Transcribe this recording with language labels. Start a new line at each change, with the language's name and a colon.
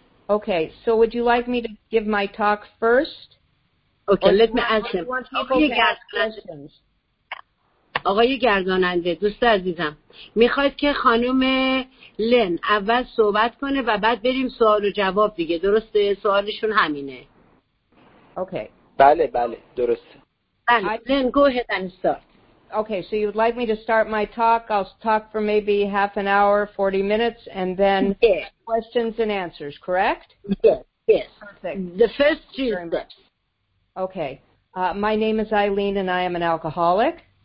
English: Okay, so would you like me to give my talk first? Okay, let me ask them.
Persian: آقای گرداننده، دوست عزیزم، میخواید که خانم لن اول صحبت کنه و بعد بریم سوال و جواب دیگه، درسته؟ سوالشون همینه.
English: Okay.
Persian: بله بله، درسته. بله.
English: لن، go ahead and start. Okay, so you would like me to start my talk. I'll talk for maybe half an hour, 40 minutes, and then questions and answers, correct? Yes. Perfect. The first three steps. Okay. My name is Eileen, and I am an alcoholic.